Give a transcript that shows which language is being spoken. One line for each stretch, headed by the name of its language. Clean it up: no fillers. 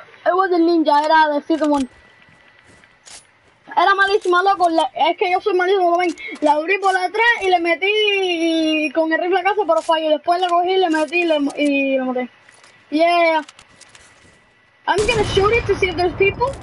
English: It was a ninja,
Spanish: era
English: the second one.
Spanish: Era malísimo, loco. Es que yo soy malísimo, lo ven. La abrí por atrás y le metí con el rifle a casa, pero fallé. Después le cogí, le metí y lo maté.
English: Yeah. I'm gonna shoot it to see if there's people.